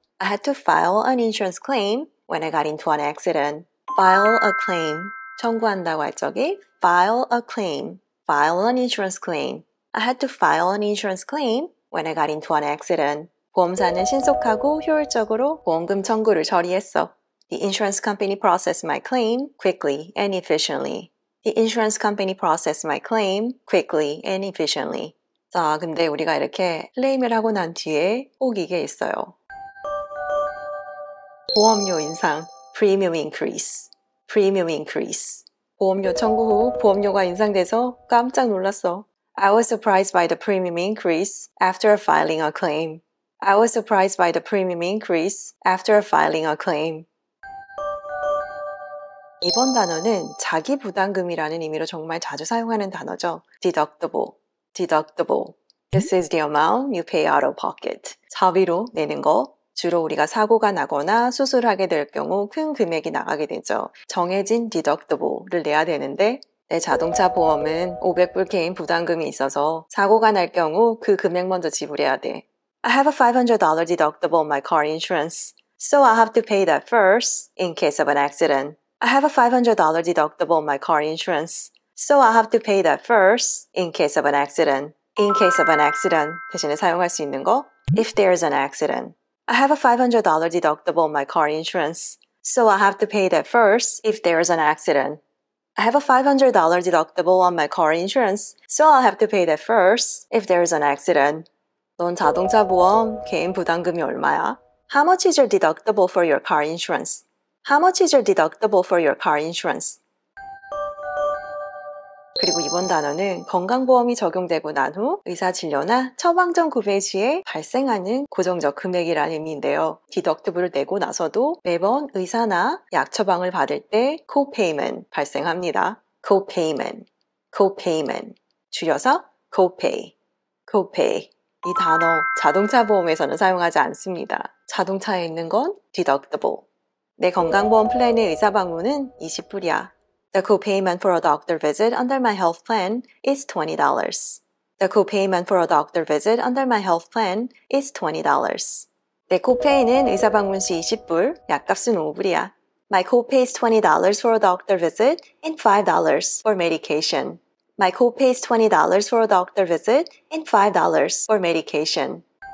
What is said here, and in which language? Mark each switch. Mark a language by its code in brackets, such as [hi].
[en] I had to file an insurance claim when I got into an accident. File a claim. [ko] 청구한다고 할 적에 [en] file a claim. File an insurance claim. I had to file an insurance claim when I got into an accident. [ko] 보험사는 신속하고 효율적으로 보험금 청구를 처리했어. [en] The insurance company processed my claim quickly and efficiently. The insurance company processed my claim quickly and efficiently. [ko] 자, 근데 우리가 이렇게 클레임을 하고 난 뒤에 꼭 이게 있어요. 보험료 인상, [en] premium increase, premium increase. [ko] 보험료 청구 후 보험료가 인상돼서 깜짝 놀랐어. [en] I was surprised by the premium increase after filing a claim. I was surprised by the premium increase after filing a claim. [ko] 이번 단어는 자기 부담금이라는 의미로 정말 자주 사용하는 단어죠. Deductible. Deductible. [en] This is the amount you pay out of pocket. [ko] 사비로 내는 거. 주로 우리가 사고가 나거나 수술하게 될 경우 큰 금액이 나가게 되죠. 정해진 deductible를 내야 되는데 내 자동차 보험은 500불 개인 부담금이 있어서 사고가 날 경우 그 금액 먼저 지불해야 돼. [en] I have a $500 deductible on my car insurance, so I have to pay that first in case of an accident. I have a $500 deductible on my car insurance, so I have to pay that first in case of an accident. In case of an accident [ko] 대신에 사용할 수 있는 거 [en] If there is an accident I have a $500 deductible on my car insurance, so I have to pay that first if there is an accident. I have a $500 deductible on my car insurance, so I have to pay that first if there is an accident. [ko] 넌 자동차 보험 개인 부담금이 얼마야? [en] How much is your deductible for your car insurance? How much is your deductible for your car insurance? [ko] 그리고 이번 단어는 건강보험이 적용되고 난 후 의사 진료나 처방전 구매 시에 발생하는 고정적 금액이라는 의미인데요. Deductible를 내고 나서도 매번 의사나 약 처방을 받을 때 Copayment 발생합니다. [en] Copayment, Copayment, 줄여서 Copay, Copay. [ko] 이 단어 자동차 보험에서는 사용하지 않습니다. 자동차에 있는 건 Deductible. 내 건강보험 플랜의 의사 방문은 20불이야. [en] The copayment for a doctor visit under my health plan is $20. The copayment for a doctor visit under my health plan is $20. [ko] 내 코페이는 의사 방문 시 20불, 약값은 5불이야. [en] My copay is $20 for a doctor visit and $5 for medication. My copay is $20 for a doctor visit and $5 for medication.